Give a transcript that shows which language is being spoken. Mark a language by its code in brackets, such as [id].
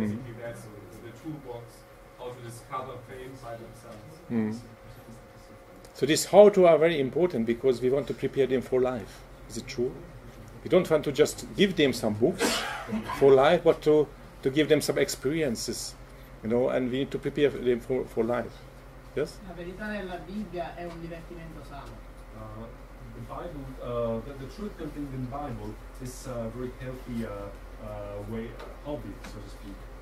[en] Basically, that's the toolbox, how to discover faith by themselves. Mm-hmm. So this how to are very important because we want to prepare them for life. Is it true? We don't want to just give them some books for life, but to give them some experiences, you know, and we need to prepare them for life. Yes? [it] La verità nella Bibbia è un divertimento sano. [en] The truth contained in the Bible is a very healthy way, hobby, so to speak.